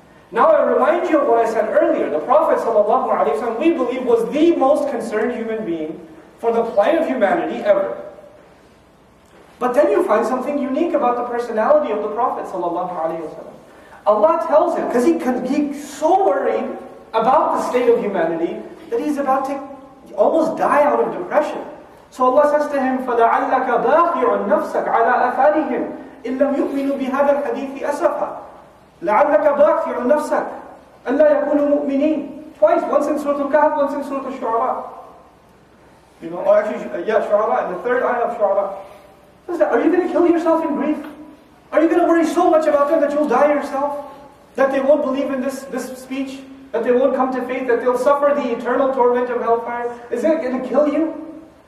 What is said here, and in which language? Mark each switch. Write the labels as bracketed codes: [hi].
[en] Now I remind you of what I said earlier. The Prophet ﷺ, we believe, was the most concerned human being for the plight of humanity ever. But then you find something unique about the personality of the Prophet ﷺ. Allah tells him, because he can be so worried about the state of humanity that he's about to almost die out of depression. So Allah says to him, [ar] فَلَعَلَّكَ بَاخِعٌ نَفْسَكَ عَلَىٰ أَثَارِهِمْ إِلَّمْ يُؤْمِنُوا بِهَذَا الْحَدِيثِ أَسَفًا لَعَلَّكَ بَاخِعٌ نَفْسَكَ أَلَّا يَكُونُوا مُؤْمِنِينَ. [en] Twice, once in Surah Al-Kahf, once in Surah Al-Shu'ara. You know, Shu'ara, and the third ayah of Shu'ara. Are you going to kill yourself in grief? Are you going to worry so much about them that you'll die yourself? That they won't believe in this speech? That they won't come to faith? That they'll suffer the eternal torment of hellfire? Is it going to kill you?